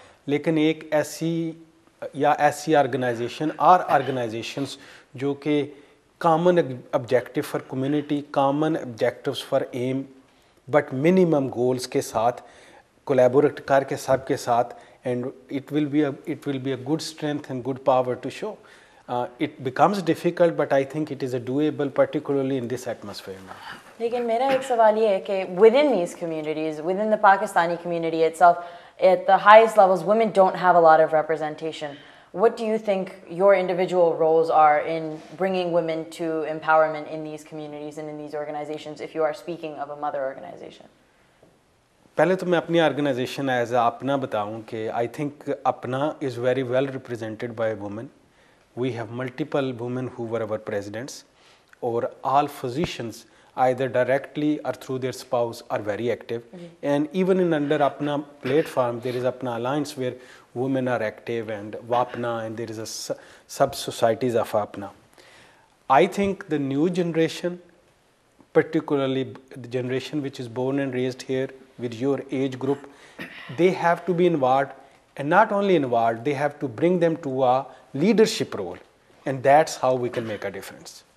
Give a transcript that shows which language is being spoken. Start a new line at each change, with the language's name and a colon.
Urdu: लेकिन एक ऐसी या ऐसी ऑर्गेनाइजेशन और ऑर्गेनाइजेशंस जो कि
English: common objective for community, common objectives for M but minimum goals
Urdu: के साथ कोलैबोरेट करके सबके साथ,
English: and it will be a good strength and good power to show. It becomes difficult, but I think it is a doable, particularly in this atmosphere now.
Urdu: Lekin mera ek sawal ye hai ki
English: within these communities, within the Pakistani community itself, at the highest levels, women don't have a lot of representation. What do you think your individual roles are in bringing women to empowerment in these communities and in these organizations, if you are speaking of a mother organization?
Urdu: पहले तो मैं अपनी organisation as अपना बताऊं कि
English: I think APPNA is very well represented by women. We have multiple women who were our presidents और all physicians either directly और through their spouse are very active and even in under APPNA platform there is APPNA alliance where women are active and वापना and there is a sub societies of APPNA. I think the new generation, particularly the generation which is born and raised here with your age group, they have to be involved, and not only involved, they have to bring them to a leadership role, and that's how we can make a difference.